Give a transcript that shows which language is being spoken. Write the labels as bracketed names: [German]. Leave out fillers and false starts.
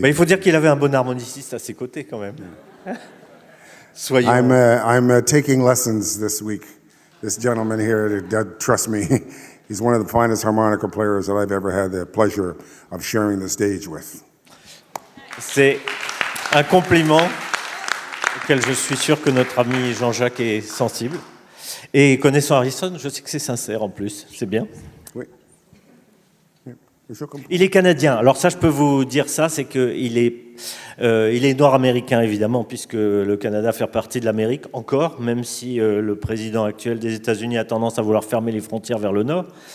[French] Mais il faut dire qu'il avait un bon harmoniciste à ses côtés quand même. Soyons. [English] I'm taking lessons this week. This gentleman here, trust me, he's one of the finest harmonica players that I've ever had the pleasure of sharing the stage with. [French] C'est un compliment auquel je suis sûr que notre ami Jean-Jacques est sensible. Et connaissant Harrison, je sais que c'est sincère en plus. C'est bien. Oui. Il est canadien. Alors ça, je peux vous dire ça, c'est qu'il est, est noir-américain, évidemment, puisque le Canada fait partie de l'Amérique, encore, même si le président actuel des États-Unis a tendance à vouloir fermer les frontières vers le nord.